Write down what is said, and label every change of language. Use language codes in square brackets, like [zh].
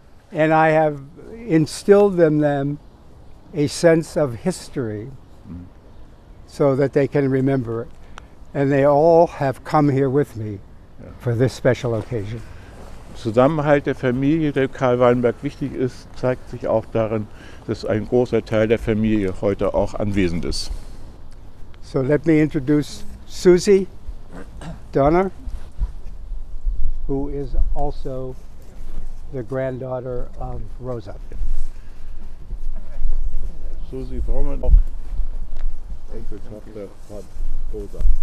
[en] And I have instilled in them a sense of history so that they can remember it. And they all have come here with me for this special occasion. [de] Zusammenhalt der Familie, der Karl Weinberg wichtig ist, zeigt sich auch darin, dass ein großer Teil der Familie heute auch anwesend ist. [en] So let me introduce Susie Donner, who is also the granddaughter of Rosa. [de] Susi Frommann, auch Enkeltochter von Rosa.